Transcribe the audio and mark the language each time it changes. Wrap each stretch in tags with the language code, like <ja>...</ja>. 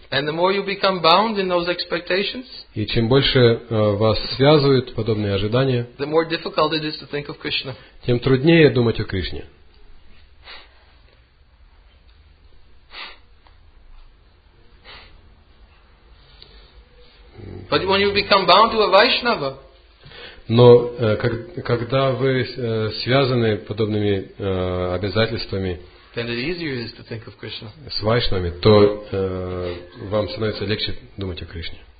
<en>And the more you become bound in those expectations,</en> <ru>и чем больше вас связывают подобные ожидания,</ru> <en>the more difficult it is to think of Krishna.</en> <ru>Тем труднее думать о Кришне.</ru> <en>But when you become bound to a Vaishnava,</en> <ru>но когда вы связаны подобными обязательствами с вайшнавами, то вам становится легче думать о Кришне.</ru>